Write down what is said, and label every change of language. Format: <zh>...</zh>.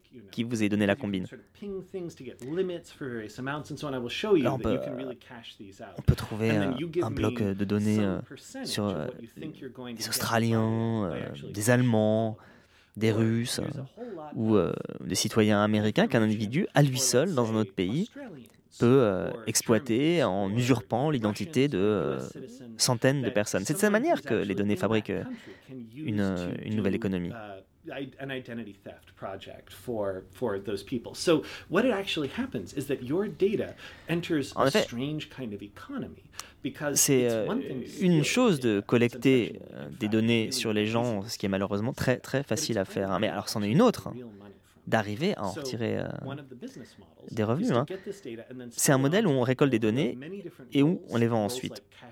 <fr>qui vous ai donné la combine. » On peut trouver un bloc de données sur des Australiens, des Allemands, des Russes ou des citoyens américains qu'un individu, à lui seul, dans un autre pays, peut exploiter en usurpant l'identité de centaines de personnes. C'est de cette manière que les données fabriquent une nouvelle économie.</fr> <en>An identity theft project for those people. So what it actually happens is that your data enters a strange kind of economy.</en> <fr>C'est une chose de collecter des données sur les gens, ce qui est malheureusement très très facile à faire. Mais alors c'en est une autre. D'arriver à en retirer des revenus. Hein. C'est un modèle où on récolte des données et où on les vend ensuite.</fr>